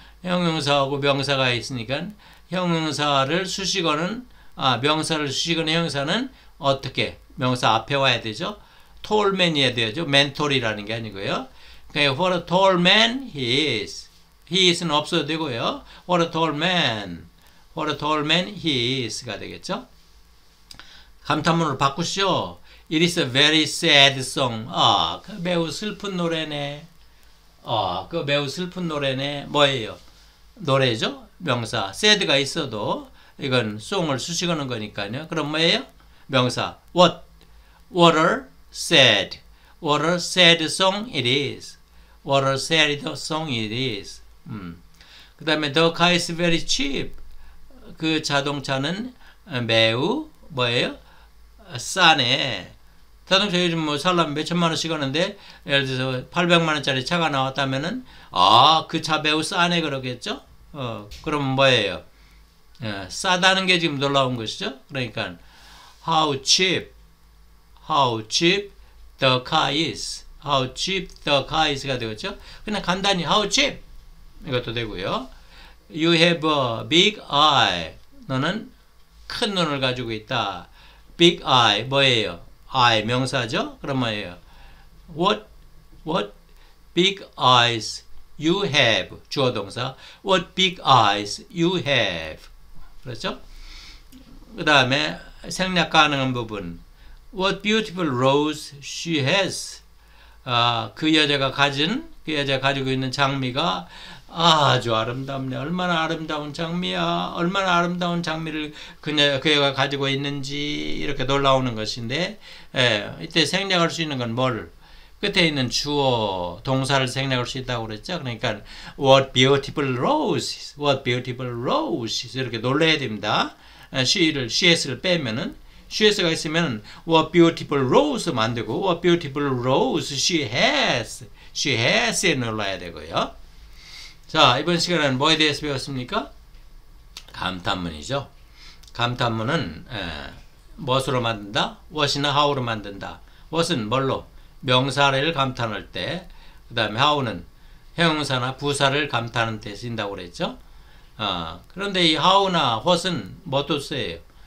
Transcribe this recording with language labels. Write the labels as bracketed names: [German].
[Korean] 형용사하고 명사가 있으니까 형용사를 수식어는 명사를 수식어는 형사는 어떻게? 명사 앞에 와야 되죠? Tall man이어야 되죠? Mentor이라는 게 아니고요. 그러니까 [English] What a tall man he is? [Korean] He is는 없어도 되고요. [English] What a tall man? What a tall man he is가 되겠죠. [Korean] 감탄문으로 바꾸시오. [English] It is a very sad song. [Korean] 아, 그 매우 슬픈 노래네. 아, 그 매우 슬픈 노래네. 뭐예요? 노래죠? 명사. sad가 있어도 이건 song을 수식하는 거니까요. 그럼 뭐예요? 명사. [English] What? What a sad. What a sad song it is. What a sad song it is. [Korean] 그 다음에 [English] the car is very cheap. [Korean] 그 자동차는 매우 뭐예요? 싸네. 자동차 요즘 뭐 살려면 몇천만 원씩 하는데 예를 들어서 800만 원짜리 차가 나왔다면은 아, 그 차 매우 싸네 그러겠죠? 어, 그럼 뭐예요? 예, 싸다는 게 지금 놀라운 것이죠? 그러니까 [English] how cheap. How cheap the car is. How cheap the car is가 되겠죠? [Korean] 그냥 간단히 how cheap 이것도 되고요. [English] You have a big eye. [Korean] 너는 큰 눈을 가지고 있다. Big eye 뭐예요? eye 명사죠? 그럼 뭐예요? [English] What big eyes you have? [Korean] 주어 동사. [English] What big eyes you have? [Korean] 그렇죠? 그 다음에 생략 가능한 부분. [English] What beautiful rose she has? [Korean] 아, 그 여자가 가진 그 여자가 가지고 있는 장미가 아주 아름답네. 얼마나 아름다운 장미야. 얼마나 아름다운 장미를 그녀가 가지고 있는지 이렇게 놀라우는 것인데 예, 이때 생략할 수 있는 건 뭘? 끝에 있는 주어, 동사를 생략할 수 있다고 그랬죠. [English] 그러니까 What beautiful roses. What beautiful roses. [Korean] 이렇게 놀라야 됩니다. [English] she를, she's를 빼면은 she's가 있으면 What beautiful roses 만들고 What beautiful roses she has. [Korean] She has에 놀라야 되고요. 자, 이번 시간에는 뭐에 대해서 배웠습니까? 감탄문이죠. 감탄문은 에, 무엇으로 만든다? What이나 how로 만든다. What은 뭘로? 명사를 감탄할 때, 그 다음에 how는 형용사나 부사를 감탄하는 때 쓴다고 그랬죠. 어, 그런데 이 how나 what은 뭐도 써요?